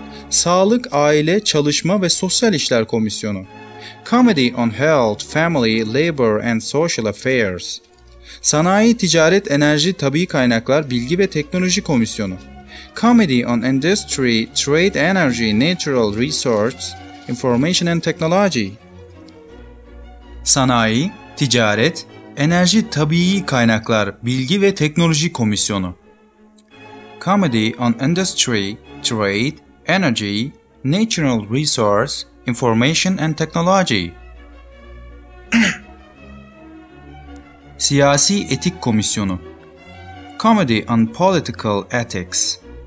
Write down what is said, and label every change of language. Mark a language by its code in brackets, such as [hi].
[tr] Sağlık, Aile, Çalışma ve Sosyal İşler Komisyonu. [en] Committee on Health, Family, Labor and Social Affairs. [tr] Sanayi, Ticaret, Enerji, Tabii Kaynaklar, Bilgi ve Teknoloji Komisyonu. [en] Committee on Industry, Trade, Energy, Natural Resources, Information and Technology. [tr] Sanayi, Ticaret, Enerji, Tabii Kaynaklar, Bilgi ve Teknoloji Komisyonu. [en] Committee on Industry, Trade, Energy, Natural Resources, Information and Technology. [tr] Siyasi Etik Komisyonu. [en] Committee on Political Ethics.